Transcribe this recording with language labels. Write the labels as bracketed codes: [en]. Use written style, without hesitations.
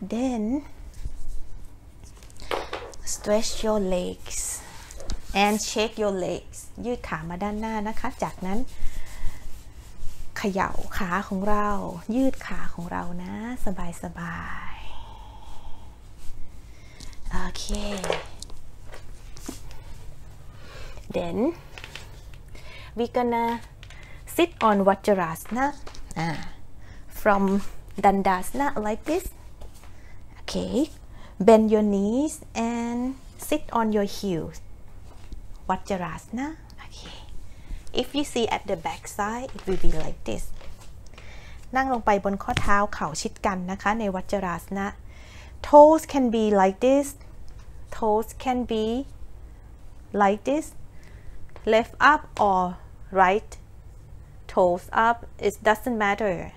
[en] Then stretch your legs and shake your legs. [th] ยืดขามาด้านหน้านะคะจากนั้นเขย่าขาของเรายืดขาของเรานะสบายสบาย [en] โอเค Then we're gonna sit on Vajrasana from Dandasana like this. Okay, bend your knees and sit on your heels. Vajrasana. Okay. If you see at the back side, it will be like this. [th] นั่งลงไปบนข้อเท้าเข่าชิดกันนะคะใน Vajrasana. [en] Toes can be like this. Toes can be like this. Left up or right. Toes up, it doesn't matter.